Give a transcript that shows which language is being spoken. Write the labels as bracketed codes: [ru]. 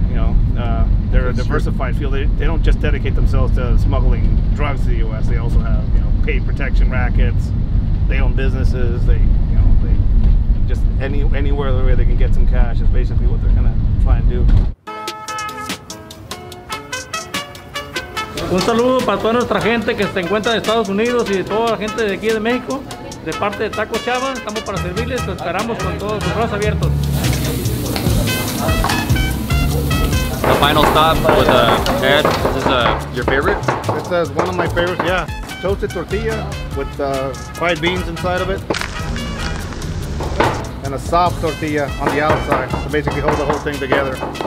[en] You know, they're a diversified field. They don't just dedicate themselves to smuggling drugs to the U.S. They also have, you know, paid protection rackets. They own businesses. They, you know, they just anywhere the way they can get some cash is basically what they're gonna try and do. [es] Un saludo para toda nuestra gente que se encuentra en Estados Unidos y de toda la gente de aquí de México. De parte de Taco Chava, estamos para servirles, los esperamos con todos los brazos abiertos. [en] The final stop with Ed, is this your favorite? This is one of my favorites, yeah. Toasted tortilla with fried beans inside of it. And a soft tortilla on the outside to basically hold the whole thing together.